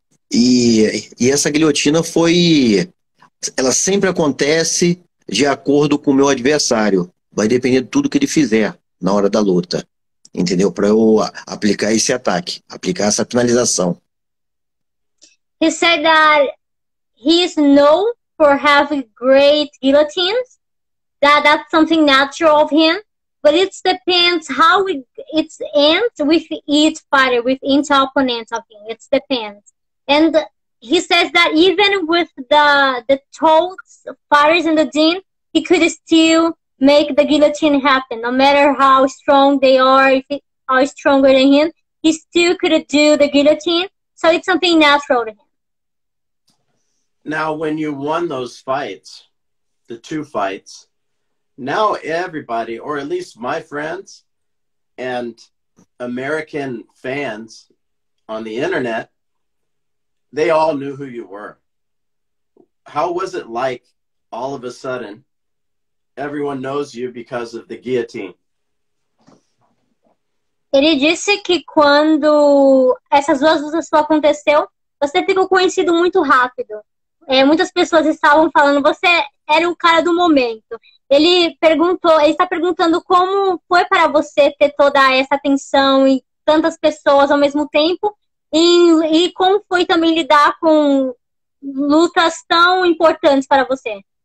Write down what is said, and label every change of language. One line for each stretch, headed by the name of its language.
Portuguese: E essa guilhotina foi... Ela sempre acontece de acordo com o meu adversário. Vai depender de tudo que ele fizer na hora da luta. Entendeu? Para eu aplicar esse ataque, aplicar essa finalização.
English: He said that he is known for having great guillotines, that's something natural of him, but it depends how it ends with each fighter, with each opponent of him. It depends. And he says that even with the tall fighters in the gym, he could still make the guillotine happen, no matter how strong they are, if they are stronger than him, he still could do the guillotine, so it's something natural to him. Now, when you won those fights, the two fights, now everybody, or at least my friends and American fans on the internet, they all knew who you were. How was it like, all of a sudden, everyone knows you because of the guillotine?
Portuguese: Ele disse que quando essas duas lutas só aconteceu, você ficou conhecido muito rápido. Muitas pessoas estavam falando, você era o cara do momento. Ele está perguntando como foi para você ter toda essa atenção e tantas pessoas ao mesmo tempo, e como foi também lidar com lutas tão importantes para você.